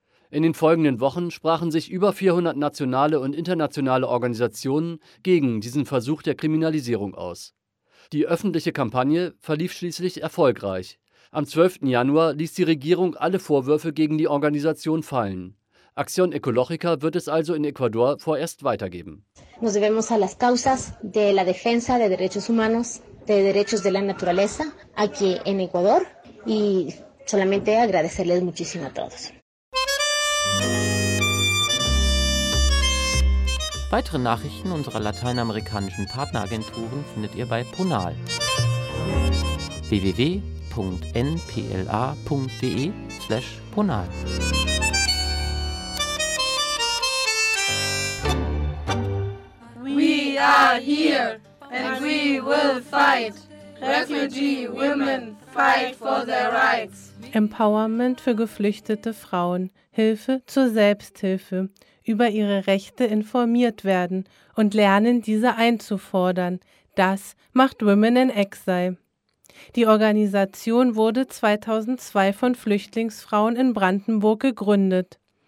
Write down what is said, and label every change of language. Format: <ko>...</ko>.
<de>In den folgenden Wochen sprachen sich über 400 nationale und internationale Organisationen gegen diesen Versuch der Kriminalisierung aus. Die öffentliche Kampagne verlief schließlich erfolgreich. Am 12. Januar ließ die Regierung alle Vorwürfe gegen die Organisation fallen. Acción Ecológica wird es also in Ecuador vorerst weitergeben.</de> <es>Nos debemos a las causas de la defensa de derechos humanos. De derechos de la naturaleza aquí en Ecuador y solamente agradecerles muchísimo a todos.</es> <de>Weitere Nachrichten unserer lateinamerikanischen Partneragenturen findet ihr bei PONAL. www.npla.de/PONAL.</de> <en>We are here. And we will fight. Refugee women fight. fight for their rights.</en> <de>Empowerment für geflüchtete Frauen, Hilfe zur Selbsthilfe, über ihre Rechte informiert werden und lernen, diese einzufordern. Das macht Women in Exile. Die Organisation wurde 2002 von Flüchtlingsfrauen in Brandenburg gegründet.</de>